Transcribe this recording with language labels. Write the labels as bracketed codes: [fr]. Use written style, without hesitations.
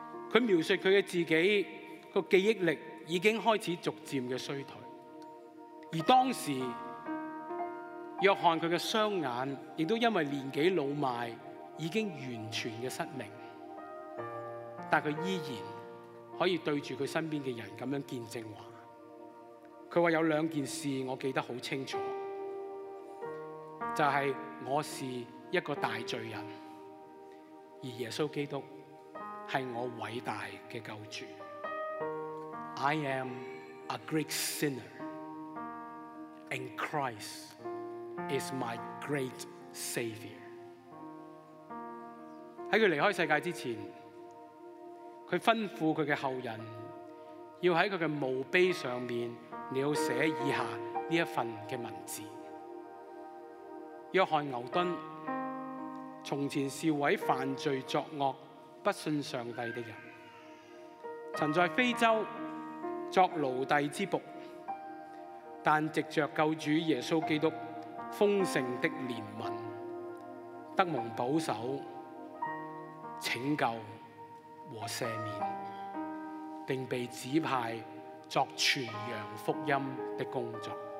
[zh] 他描述他的自己的记忆力已经开始逐渐的衰退，而当时约翰他的双眼也都因为年纪老迈已经完全的失明，但他依然可以对着他身边的人这样见证话。他说有两件事我记得很清楚，就是我是一个大罪人，而耶稣基督是我伟大的救主。 [en] I am a great sinner, and Christ is my great savior. [zh] 在他离开世界之前，他吩咐他的后人要在他的墓碑上面，你要写以下这一份的文字。约翰牛顿从前是位犯罪作恶不信上帝的人，曾在非洲作奴隶之仆，但藉着救主耶稣基督丰盛的怜悯，得蒙保守、拯救和赦免，并被指派作传扬福音的工作。